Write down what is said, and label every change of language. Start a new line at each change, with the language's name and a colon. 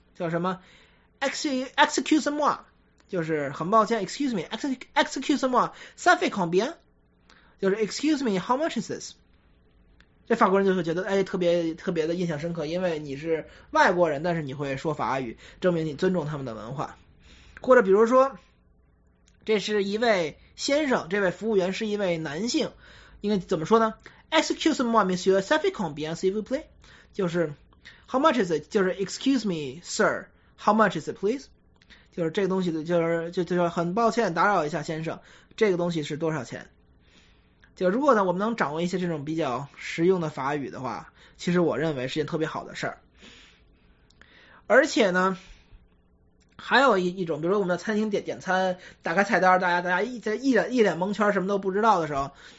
French: 叫什么？excuse moi，就是很抱歉，
English: excuse me，
French: excuse moi，ça fait combien？
Chinese: 就是
English: excuse me，how much is this？
Chinese: 这法国人就会觉得哎，特别特别的印象深刻，因为你是外国人，但是你会说法语，证明你尊重他们的文化。或者比如说，这是一位先生，这位服务员是一位男性，应该怎么说呢？
French: excuse moi，monsieur，ça fait combien，s'il vous plaît？
Chinese: 就是
English: how much is it？ 就是 excuse me, sir, how much is it, please？
Chinese: 就是这个东西的，就是很抱歉打扰一下先生，这个东西是多少钱？就如果呢，我们能掌握一些这种比较实用的法语的话，其实我认为是件特别好的事儿。而且呢，还有一种，比如说我们在餐厅点餐，打开菜单，大家一脸蒙圈，什么都不知道的时候。